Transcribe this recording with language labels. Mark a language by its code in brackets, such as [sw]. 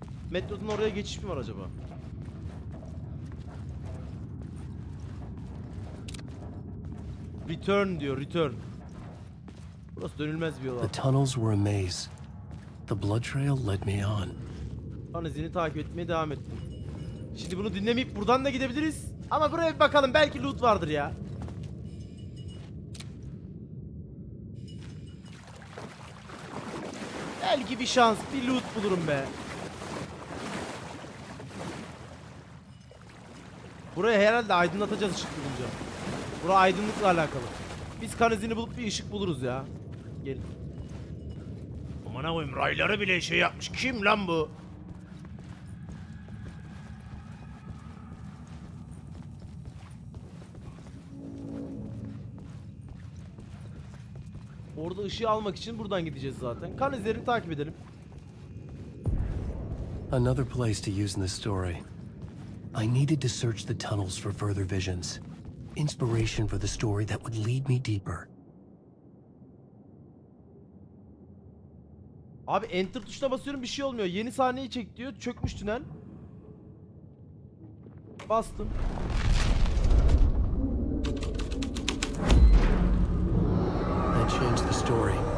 [tr] Metrodun oraya geçiş mi var acaba? Return diyor, return. Burası dönülmez bir yol. [en] The tunnels were a maze. The blood trail led me on. [tr] Kan izini takip etmeye devam ettim. Şimdi bunu dinlemeyip buradan da gidebiliriz. Ama buraya bir bakalım, belki loot vardır ya. Belki bir şans, bir loot bulurum be. Burayı herhalde aydınlatacağız ışık bulunca. Bura aydınlıkla alakalı. Biz kan izini bulup bir ışık buluruz ya. Gelin. Aman abim, rayları bile şey yapmış. Kim lan bu? Orada ışığı almak için buradan gideceğiz zaten. Kan izlerini takip edelim. [en] Another place to use in this story. I needed to search the tunnels for further visions. Inspiration for the story that would lead me deeper. [tr] Abi enter tuşuna basıyorum, bir şey olmuyor. Yeni sahneyi çek diyor. Çökmüş tünel. Bastım. [en] That changed the story.